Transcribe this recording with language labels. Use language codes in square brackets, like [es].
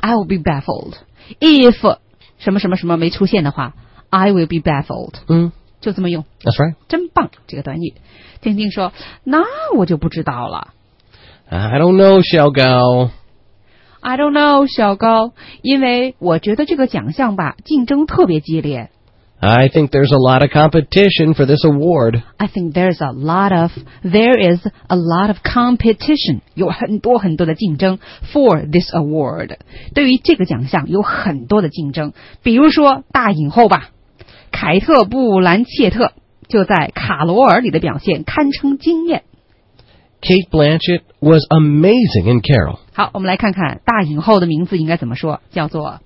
[en] I'll be baffled. If [zh] 什么什么什么没出现的话 [en] I will be baffled. 嗯， [zh] 就这么用。 [en] That's right. [zh] 真棒，这个短语。静静说，那我就不知道了。 [en] I don't know, 小高。 I don't know, 小高。 [zh] 因为我觉得这个奖项吧，竞争特别激烈。 [en] I think there's a lot of competition for this award. I think there is a lot of competition. [zh] 有很多很多的竞争 [en] for this award. [zh] 对于这个奖项有很多的竞争。比如说大影后吧，凯特·布兰切特就在《卡罗尔》里的表现堪称惊艳。 [en] Kate Blanchett was amazing in Carol. [zh] 好，我们来看看大影后的名字应该怎么说，叫做